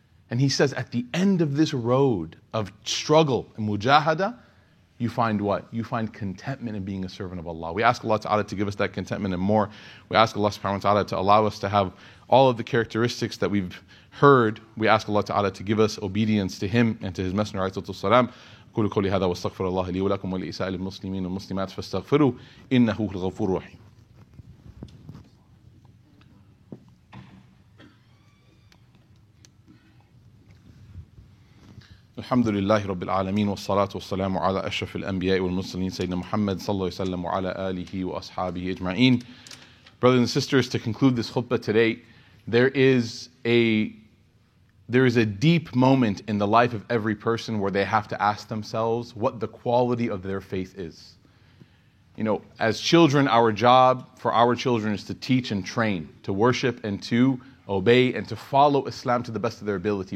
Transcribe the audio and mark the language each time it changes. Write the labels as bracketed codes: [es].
[en] And he says, at the end of this road of struggle and mujahada, you find what? You find contentment in being a servant of Allah. We ask Allah Ta'ala to give us that contentment and more. We ask Allah Subhanahu wa Ta'ala to allow us to have all of the characteristics that we've heard. We ask Allah Ta'ala to give us obedience to Him and to His Messenger, alayhi salam. [ar] قولوا قولي هذا واستغفر الله لي ولكم ولإسرائيل المسلمين والمسلمات فاستغفروا إنه هو الغفور الرحيم. الحمد لله رب العالمين والصلاة والسلام على أشرف الأنبياء والمرسلين سيدنا محمد صلى الله عليه وسلم وعلى آله وأصحابه أجمعين. [en] Brothers and sisters, to conclude this khutbah today, there is a deep moment in the life of every person where they have to ask themselves what the quality of their faith is. You know, as children, our job for our children is to teach and train, to worship and to obey and to follow Islam to the best of their ability.